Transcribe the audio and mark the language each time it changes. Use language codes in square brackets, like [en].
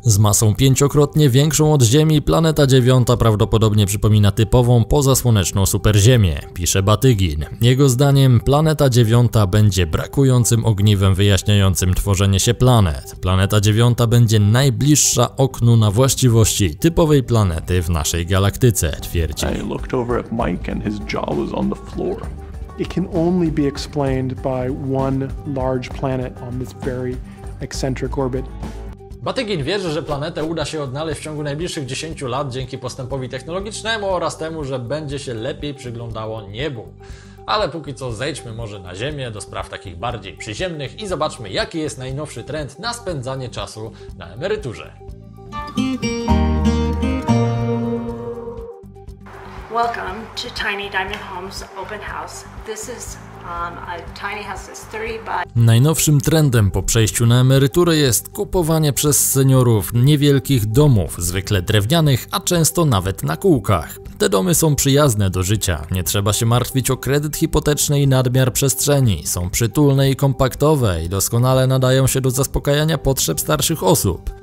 [pl] Z masą 5-krotnie większą od Ziemi, planeta dziewiąta prawdopodobnie przypomina typową pozasłoneczną superziemię, pisze Batygin. Jego zdaniem planeta dziewiąta będzie brakującym ogniwem wyjaśniającym tworzenie się planet. Planeta dziewiąta będzie najbliższa oknu na właściwości typowej planety w naszej galaktyce, twierdzi. [en] I looked over at Mike and his jaw was on the floor. It can only be explained by one large planet on this very eccentric orbit. [pl] Batygin wierzy, że planetę uda się odnaleźć w ciągu najbliższych 10 lat dzięki postępowi technologicznemu oraz temu, że będzie się lepiej przyglądało niebu. Ale póki co zejdźmy może na Ziemię do spraw takich bardziej przyziemnych i zobaczmy, jaki jest najnowszy trend na spędzanie czasu na emeryturze. [en] Welcome to Tiny Diamond Homes Open House. This is a tiny house that's 30 by... [pl] Najnowszym trendem po przejściu na emeryturę jest kupowanie przez seniorów niewielkich domów, zwykle drewnianych, a często nawet na kółkach. Te domy są przyjazne do życia, nie trzeba się martwić o kredyt hipoteczny i nadmiar przestrzeni, są przytulne i kompaktowe i doskonale nadają się do zaspokajania potrzeb starszych osób.